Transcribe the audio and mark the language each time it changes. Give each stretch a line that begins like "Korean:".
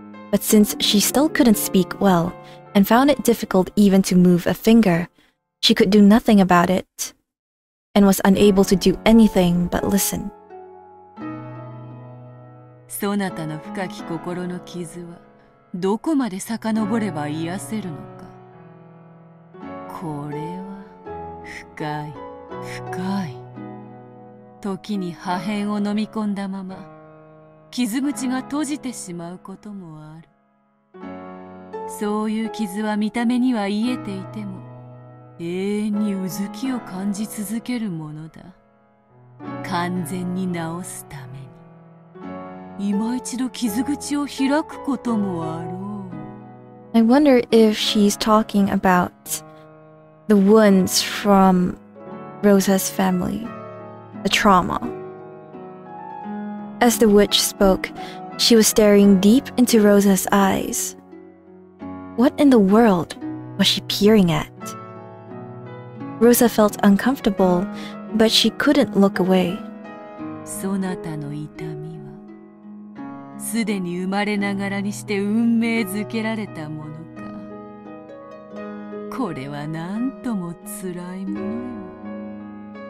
English: But since she still couldn't speak well, and found it difficult even to move a finger, she could do nothing about it, and was unable to do anything but listen.
Japanese: そなたの深き心の傷はどこまで遡れば癒せるのか。これは深い、深い。時に破片を飲み込んだまま、傷口が閉じてしまうこともある。そういう傷は見た目には癒えていても、永遠にうずきを感じ続けるものだ。完全に治すために。今一度傷口を開くこともあろう。
English: I wonder if she's talking about the wounds from Rosa's family, the trauma. As the witch spoke, she was staring deep into Rosa's eyes. What in the world was she peering at? Rosa felt uncomfortable, but she couldn't look away.
Japanese: そなたの痛みは、すでに生まれながらにして運命づけられたものか。これはなんともつらいものよ。